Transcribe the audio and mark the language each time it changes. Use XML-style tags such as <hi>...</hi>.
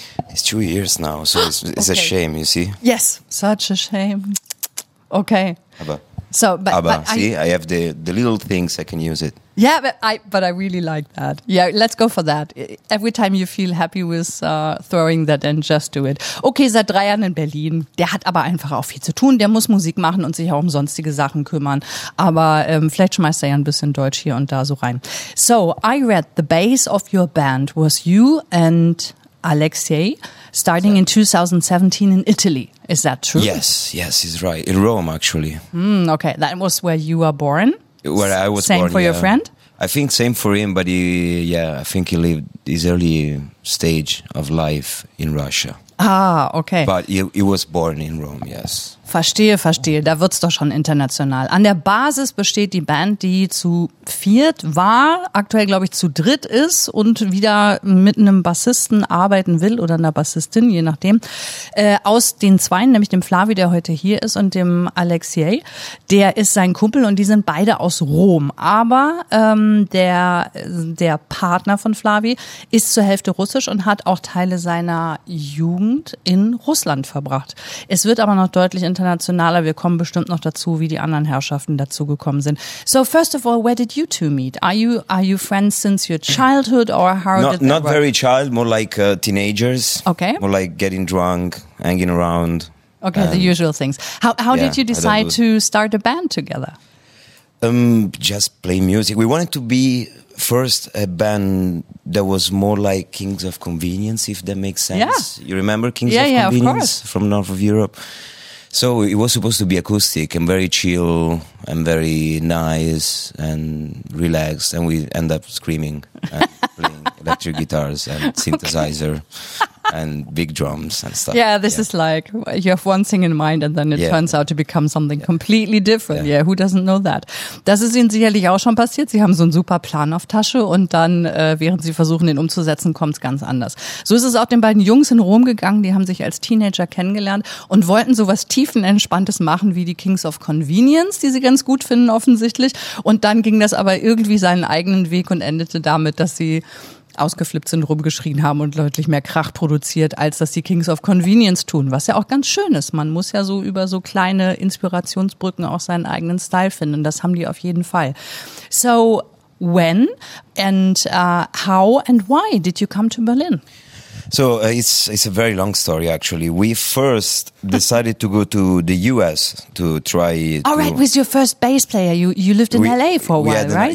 <en>It's 2 years now, so it's a shame, you see? Yes, such a shame. Okay. I have the little things I can use it. Yeah, but I really like that. Yeah, let's go for that. Every time you feel happy with throwing that in, just do it.</en> <de>Okay, seit 3 Jahren in Berlin. Der hat aber einfach auch viel zu tun. Der muss Musik machen und sich auch um sonstige Sachen kümmern. Aber vielleicht schmeißt er ja ein bisschen Deutsch hier und da so rein.</de> <en>So, I read the base of your band was you and Alexei starting in 2017 in Italy. Is that true? Yes, he's right. In Rome, actually. Okay, that was where you were born? Where I was born, same for your friend? I think same for him, but I think he lived his early stage of life in Russia. Ah, okay. But he was born in Rome, yes.</en> <de>Verstehe. Da wird's doch schon international. An der Basis besteht die Band, die zu viert war, aktuell glaube ich zu dritt ist und wieder mit einem Bassisten arbeiten will oder einer Bassistin, je nachdem. Aus den Zweien, nämlich dem Flavi, der heute hier ist, und dem Alexei, der ist sein Kumpel und die sind beide aus Rom. Aber der Partner von Flavi ist zur Hälfte russisch und hat auch Teile seiner Jugend in Russland verbracht. Es wird aber noch deutlich internationaler. Wir kommen bestimmt noch dazu, wie die anderen Herrschaften dazugekommen sind.</de> <en>So, first of all, where did you two meet? Are you friends since your childhood, or how not, did that not work? Very child, more like teenagers. Okay. More like getting drunk, hanging around. Okay, the usual things. How did you decide to start a band together? Just play music. We wanted to be first a band that was more like Kings of Convenience, if that makes sense. Yeah. You remember Kings of Convenience from north of Europe? So it was supposed to be acoustic and very chill and very nice and relaxed. And we end up screaming and playing electric guitars and synthesizer and big drums and stuff. Yeah, this is like you have one thing in mind and then it turns out to become something completely different. Yeah, who doesn't know that?</en> <de>Das ist Ihnen sicherlich auch schon passiert. Sie haben so einen super Plan auf Tasche und dann, während Sie versuchen, den umzusetzen, kommt es ganz anders. So ist es auch den beiden Jungs in Rom gegangen. Die haben sich als Teenager kennengelernt und wollten sowas Tiefenentspanntes machen wie die Kings of Convenience, die sie ganz gut finden offensichtlich. Und dann ging das aber irgendwie seinen eigenen Weg und endete damit, dass sie ausgeflippt sind, rumgeschrien haben und deutlich mehr Krach produziert, als dass die Kings of Convenience tun, was ja auch ganz schön ist. Man muss ja so über so kleine Inspirationsbrücken auch seinen eigenen Style finden und das haben die auf jeden Fall.</de> <en>So, when and how and why did you come to Berlin? So, it's a very long story, actually. We first decided to go to the U.S. to try it. All right, with your first bass player. You lived in L.A. for a while, right?</en>